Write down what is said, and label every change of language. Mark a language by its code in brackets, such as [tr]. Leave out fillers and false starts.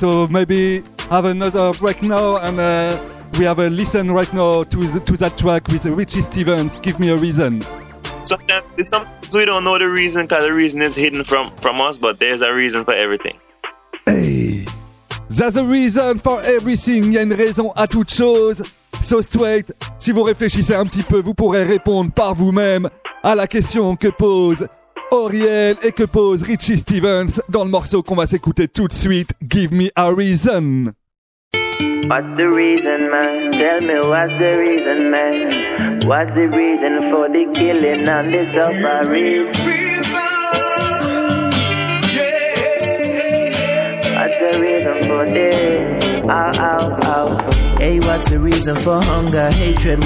[en] So maybe have another break now, and we have a listen right now to that track with Richie Stevens, Give Me a Reason. Sometimes we don't know the reason because the reason is hidden from us, but there's a reason for everything. Hey, there's a reason for everything. [fr] Il y a une raison à toute chose. [en] So straight, [fr] si vous réfléchissez un petit peu, vous pourrez répondre par vous-même à la question que pose Auriel et que pose Richie Stevens dans le morceau qu'on va s'écouter tout de suite, Give Me a Reason. [en] What's the reason, man? Tell me what's the reason, man? What's the reason for the killing and the suffering? Give me a reason, yeah. What's the reason for this? Ow, ow, ow. Hey, what's the reason for hunger, hatred?